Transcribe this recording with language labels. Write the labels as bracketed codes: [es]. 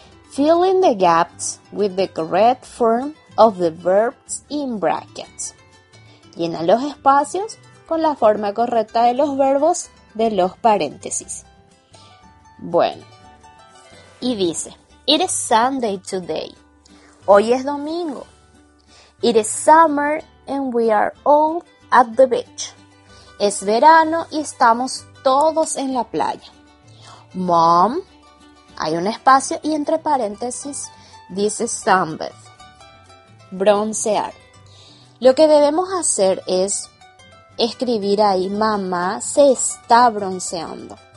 [en] Fill in the gaps with the correct form of the verbs in brackets. [es] Llena los espacios con la forma correcta de los verbos de los paréntesis. Bueno, y dice, [en] it is Sunday today. [es] Hoy es domingo. [en] It is summer and we are all at the beach. [es] Es verano y estamos todos en la playa. Mom, hay un espacio y entre paréntesis dice sunbathe. Broncear. Lo que debemos hacer es escribir ahí, mamá se está bronceando.